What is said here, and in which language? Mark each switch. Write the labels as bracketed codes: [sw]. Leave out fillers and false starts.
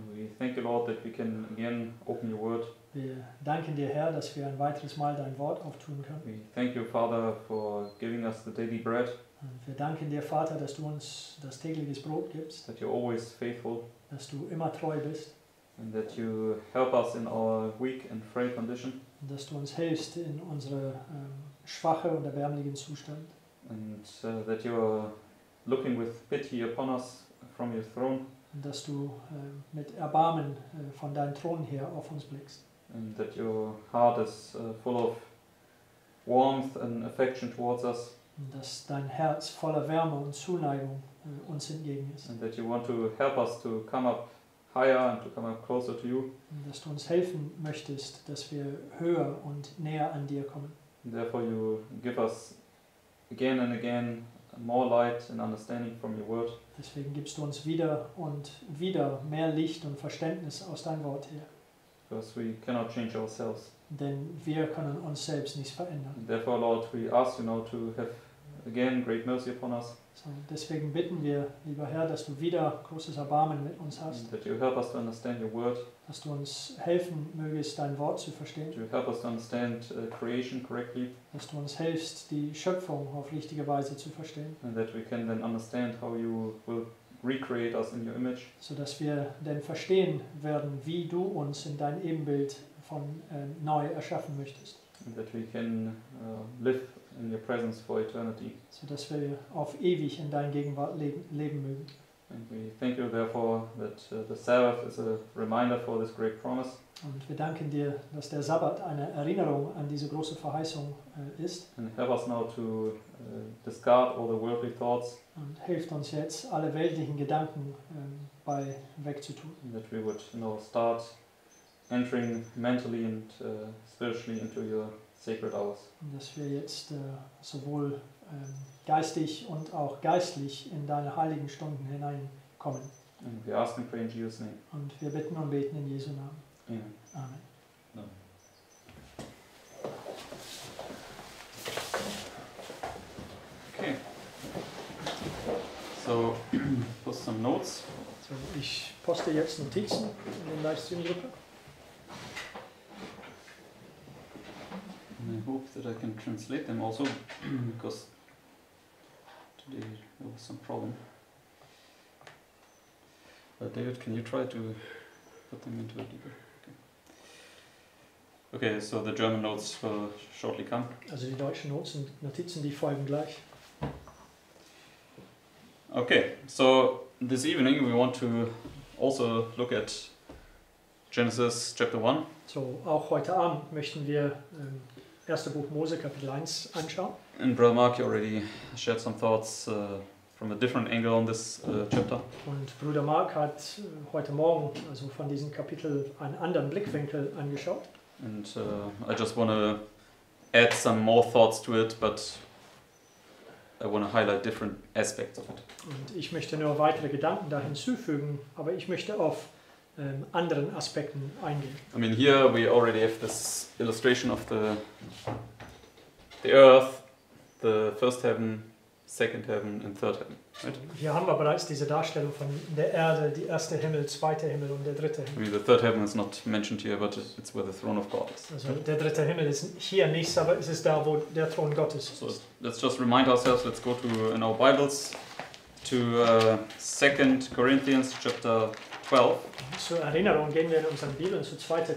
[en] we thank you, Lord, that we can again open your word. [de] Wir danken dir, Herr, dass wir ein weiteres Mal dein Wort auftun können. [en] We thank you, Father, for giving us the daily bread. [de] Und wir danken dir, Vater, dass du uns das tägliche Brot gibst. [en] That you're always faithful. [de] Dass du immer treu bist. [en] And that you help us in our weak and frail condition. [de] Und dass du uns hilfst in unsere schwache und erbärmlichen Zustand. [en] And that you are looking with pity upon us from your throne. [de] Und dass du mit Erbarmen von deinem Thron her auf uns blickst. [en] And that your heart is full of warmth and affection towards us. [de] Und dass dein Herz voller Wärme und Zuneigung uns entgegen ist. [en] And that you want to help us to come up higher and to come up closer to you. [de] Und dass du uns helfen möchtest, dass wir höher und näher an dir kommen. [en] And therefore you give us again and again more light and understanding from your word. [de] Deswegen gibst du uns wieder und wieder mehr Licht und Verständnis aus dein Wort her. [en] Because we cannot change ourselves. [de] Denn wir können uns selbst nicht verändern. [en] And therefore, Lord, we ask you now to have again great mercy upon us. [de] So deswegen bitten wir, lieber Herr, dass du wieder großes Erbarmen mit uns hast. [en] And that you help us to understand your word. [de] Dass du uns helfen mögest, dein Wort zu verstehen. [en] To help us to understand creation correctly. [de] Dass du uns hilfst, die Schöpfung auf richtige Weise zu verstehen. [en] And that we can then understand how you will recreate us in your image. [de] So dass wir denn verstehen werden, wie du uns in dein Ebenbild von neu erschaffen möchtest. [en] And that we can live in your presence for eternity. [de] So dass wir auf ewig in deinem Gegenwart leben mögen. [en] And we thank you therefore that the Sabbath is a reminder for this great promise. [de] Und wir danken dir, dass der Sabbat eine Erinnerung an diese große Verheißung ist. [en] And help us now to discard all the worldly thoughts. [de] Und hilft uns jetzt, alle weltlichen Gedanken bei wegzutun. [en] And that we would now start entering mentally and spiritually into your sacred hours. [de] Und dass wir jetzt sowohl geistig und auch geistlich in deine heiligen Stunden hineinkommen. [en] And we ask and pray in Jesus' name. [de] Und wir bitten und beten in Jesu Namen. [en] Amen. Amen. Okay. So, post some notes. [de] So, ich poste jetzt Notizen in den Livestream-Gruppe. [en] And I hope that I can translate them also, because today there was some problem. But David, can you try to put them into a deeper? Okay, so the German notes will shortly come. [de] Also die deutschen Notes und Notizen, die folgen gleich. [en] Okay, so this evening we want to also look at Genesis chapter 1. [de] So auch heute Abend möchten wir erste Buch Mose Kapitel 1 anschauen. [en] And Brother Mark already shared some thoughts from a different angle on this chapter. [de] Und Bruder Mark hat heute Morgen also von diesem Kapitel einen anderen Blickwinkel angeschaut. [en] And I just want to add some more thoughts to it, but I want to highlight different aspects of it. [de] Und ich möchte nur weitere Gedanken da hinzufügen, aber ich möchte auf anderen Aspekten eingehen. [en] I mean, here we already have this illustration of the earth, the first heaven, second heaven and third heaven. Right? [de] So, hier haben wir bereits diese Darstellung von der Erde, die erste Himmel, zweite Himmel und der dritte Himmel. [en] I mean, the third heaven is not mentioned here, but it's where the throne of God is. [de] Also der dritte Himmel ist hier nichts, aber es ist da, wo der Thron Gottes ist. [en] So let's just remind ourselves, let's go to in our Bibles to 2 Corinthians chapter 12. [de] Zur Erinnerung gehen wir in unseren Bibeln zu 2.